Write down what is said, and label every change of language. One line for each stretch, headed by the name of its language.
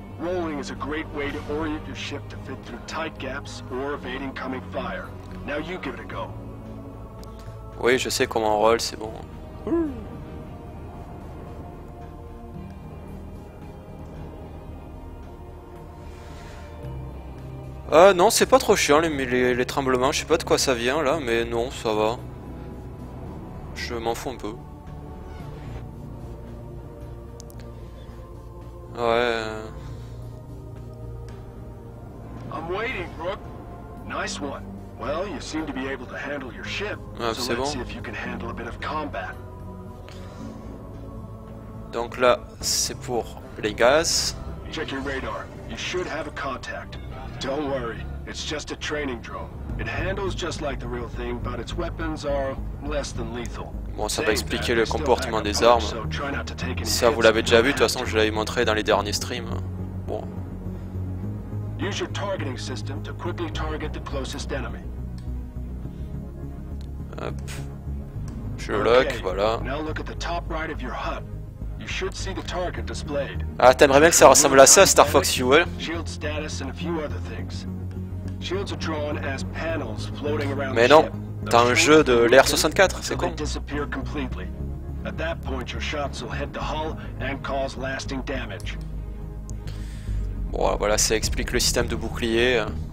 English: Rolling is a great way to orient your ship to fit through tight gaps or evade incoming fire. Now you give it a go.
French: Oui, je sais comment on roule, c'est bon. Non, c'est pas trop chiant les tremblements, je sais pas de quoi ça vient là, mais non, ça va. Je m'en fous un peu. Ouais.
English: I'm waiting, Brooke. Nice one. Well, you seem to be able to handle your ship. Ah, so
French: c'est bon.
English: See if you can handle a bit of combat.
French: Donc là, c'est pour les gaz.
English: Check your radar. You should have a contact. Don't worry, it's just a training drone. It handles just like the real thing, but its weapons are less than lethal.
French: Bon, ça va expliquer le comportement des armes. Ça, vous l'avez déjà vu, de toute façon, je l'avais montré dans les derniers streams. Bon.
English: Use your targeting system to quickly target the closest enemy.
French: Hop. Je lock, voilà.
English: Now look at the top right of your HUD. You should see the target displayed.
French: Ah, t'aimerais bien que ça ressemble à ça, Star Fox, si vous voulez.
English: Shield status and a few other things. Shields are drawn as panels floating around.
French: Mais non, t'as un jeu de l'ère 64, c'est con.
English: Disappear completely. At that point, your shots will hit the hull and cause lasting damage.
French: Bon, voilà, ça explique le système de bouclier.